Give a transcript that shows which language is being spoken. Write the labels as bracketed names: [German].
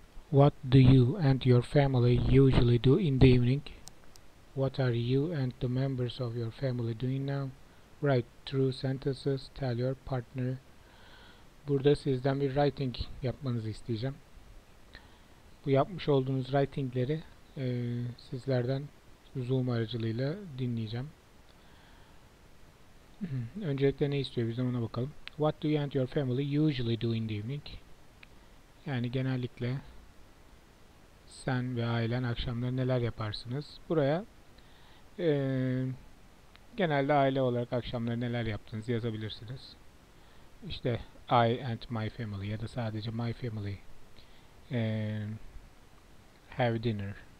[English] What do you and your family usually do in the evening? What are you and the members of your family doing now? Write true sentences, tell your partner. [Turkish] Burada sizden bir writing yapmanızı isteyeceğim. Bu yapmış olduğunuz writingleri sizlerden Zoom aracılığıyla dinleyeceğim. Öncelikle ne istiyor bizden ona bakalım. [English] What do you and your family usually do in the evening? [Turkish] Yani genellikle sen ve ailen akşamları neler yaparsınız? Buraya genelde aile olarak akşamları neler yaptığınızı yazabilirsiniz. İşte [English] I and my family [Turkish] ya da sadece [English] my family have dinner.